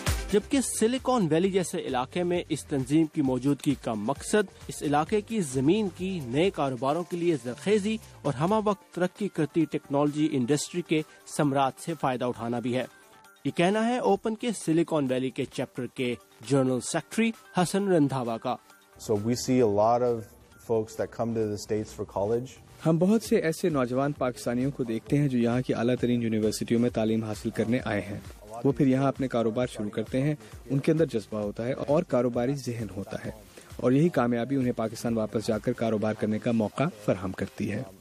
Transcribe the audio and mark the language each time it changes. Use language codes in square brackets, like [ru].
[ur] جبکہ Silicon Valley جیسے علاقے میں اس تنظیم کی موجودگی کا مقصد اس علاقے کی زمین کی نئے کاروباروں کے لیے زرخیزی اور ہمہ وقت ترقی کرتی ٹیکنالوجی انڈسٹری کے ثمرات سے فائدہ اٹھانا بھی ہے۔ یہ کہنا ہے اوپن کے سلیکون ویلی کے چیپٹر کے جنرل سیکرٹری حسن رندھاوا کا۔ [en] So we see a lot of folks that come to the States for college. [ur] ہم بہت سے ایسے نوجوان پاکستانیوں کو دیکھتے ہیں جو یہاں کی اعلیٰ ترین یونیورسٹیوں میں تعلیم حاصل کرنے آئے ہیں. وہ پھر یہاں اپنے کاروبار شروع کرتے ہیں, ان کے اندر جذبہ ہوتا ہے اور کاروباری ذہن ہوتا ہے, اور یہی کامیابی انہیں پاکستان واپس جا کر کاروبار کرنے کا موقع فراہم کرتی ہے.